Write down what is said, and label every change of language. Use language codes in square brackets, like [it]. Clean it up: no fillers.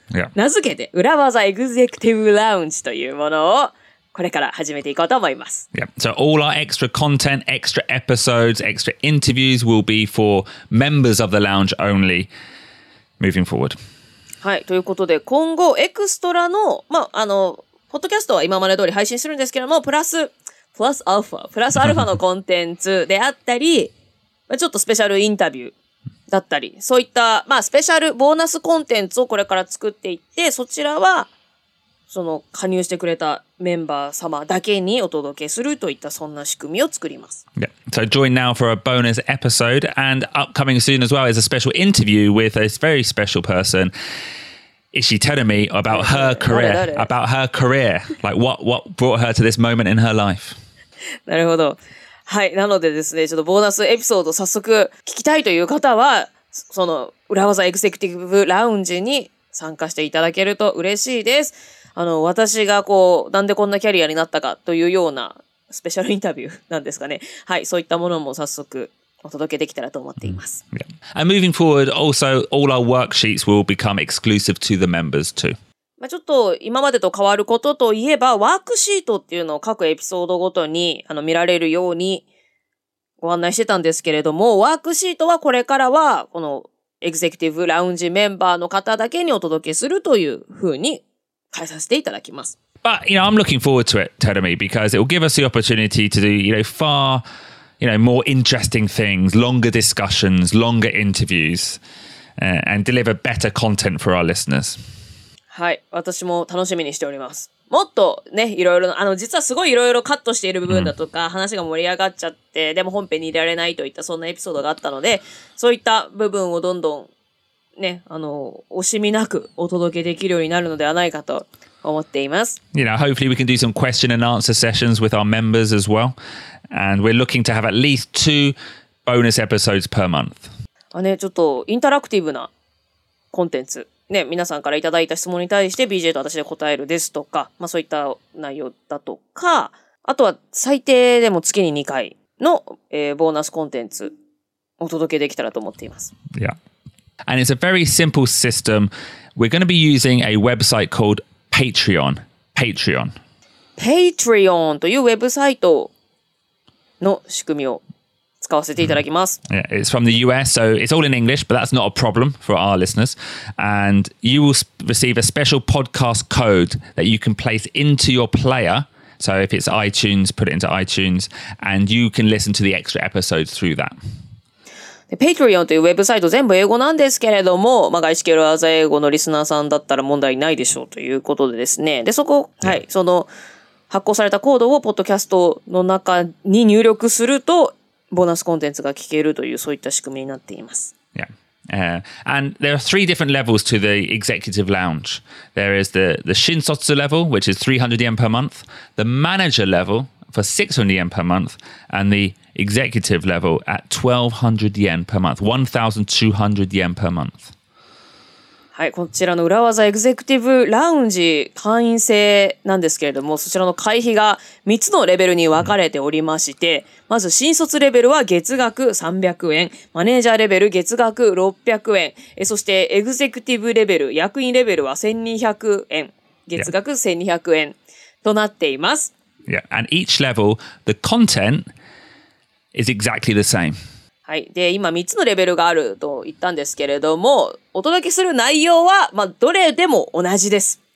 [en] yeah. [ja] 名付けて裏技エグゼクティブラウンジというものをこれから始めていこうと思います。 [en] Yeah. So all our extra content, extra episodes, extra interviews will be for members of the lounge only moving forward. [ja] はい、ということで今後エクストラの、まあ、あのポッドキャストは今まで通り配信するんですけども、プラスアルファのコンテンツであったりちょっとスペシャルインタビューだったり、そういった、まあ、スペシャルボーナスコンテンツをこれから作っていって、そちらは、その、加入してくれたメンバー様だけにお届けするといった、そんな仕組みを作ります。 [en] Yeah. So join now for a bonus episode, and upcoming soon as well is a special interview with a very special person, Ishii Terumi, about her career, about her career, like what brought her to this moment in her life. [ja] なるほど。はい、なのでですね、ちょっとボーナスエピソード早速聞きたいという方は、その裏技エグゼクティブラウンジに参加していただけると嬉しいです。あの、私がこう、なんでこんなキャリアになったかというようなスペシャルインタビューなんですかね。はい、そういったものも早速お届けできたらと思っています。 [en] Yeah. And moving forward, also, all our worksheets will become exclusive to the members too. [ja] まあ、ちょっと今までと変わることといえば、ワークシートっていうのを各エピソードごとにあの見られるようにご案内してたんですけれども、ワークシートはこれからはこのエグゼクティブラウンジメンバーの方だけにお届けするというふうに変えさせていただきます。 [en] But, you know, I'm looking forward to it, Terumi, because it will give us the opportunity to do, you know, far, you know, more interesting things, longer discussions, longer interviews, and deliver better content for our listeners. [ja] はい、私も楽しみにしております。もっとね、いろいろ、あの、実はすごいいろいろカットしている部分だとか、話が盛り上がっちゃって、でも本編に入れられないといったそんなエピソードがあったので、そういった部分をどんどん、ね、あの、惜しみなくお届けできるようになるのではないかと思っています。 [en] You know, hopefully we can do some question and answer sessions with our members as well. And we're looking to have at least two bonus episodes per month. [ja] あ、ね、ちょっとインタラクティブなコンテンツ。ね、皆さんからいただいた質問に対して BJ と私で答えるですとか、まあ、そういった内容だとか、あとは最低でも月に2回の、ボーナスコンテンツをお届けできたらと思っています。 [en] Yeah. And it's a very simple system. We're going to be using a website called Patreon. Patreon. [ja] Patreon というウェブサイトの仕組みを使わせていただきます。 Mm-hmm. [en] Yeah, it's from the US, so it's all in English, but that's not a problem for our listeners. And you will receive a special podcast code that you can place into your player. So if it's iTunes, put it into iTunes, and you can listen to the extra episodes through that. [ja] Patreon というウェブサイト全部英語なんですけれども、まあ、外資系ラザ英語のリスナーさんだったら問題ないでしょうということでですね。で、そこ、はい、その発行されたコードをポッドキャストの中に入力すると、ボーナスコンテンツが聞けるというそういった仕組みになっています。 [en] Yeah. And there are three different levels to the executive lounge. There is the shinsotsu level, which is 300 yen per month, the manager level for 600 yen per month, and the executive level at 1200 yen per month, 1200 yen per month. [ja] はい、こちらの裏技エグゼクティブラウンジ会員制なんですけれども、そちらの会費が3つのレベルに分かれておりまして、まず新卒レベルは月額300円、マネージャーレベル月額600円、そしてエグゼクティブレベル、役員レベルは1200円、月額1200円となっています。 [en] Yeah, and each level, the content is exactly the same. [ja] はい。で、今3つのレベルがあると言ったんですけれども、お届けする内容は、まあ、どれでも同じです。